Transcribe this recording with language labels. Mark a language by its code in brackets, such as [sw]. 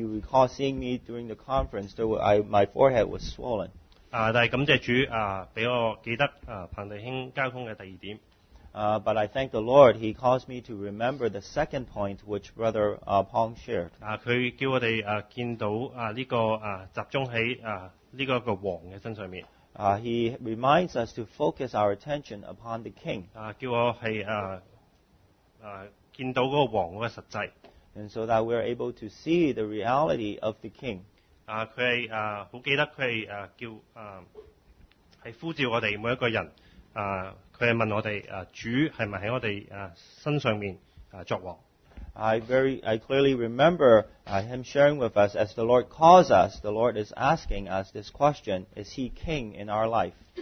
[en] you recall seeing me during the conference, there were, my forehead was swollen. [zh] 但是感謝主，讓我記得彭弟兄交通的第二點。 [en] But I thank the Lord, he caused me to remember the second point which Brother Pong shared. [zh] 他叫我們見到這個集中在這個王的身上面。 [en] He reminds us to focus our attention upon the king. [zh] 叫我見到那個王的實際。 [en] And so that we are able to see the reality of the king. [zh] 他很記得他是呼召我們每一個人。他是問我們,主是不是在我們身上作王? [en] I clearly remember him sharing with us, as the Lord calls us, the Lord is asking us this question, is he king in our life?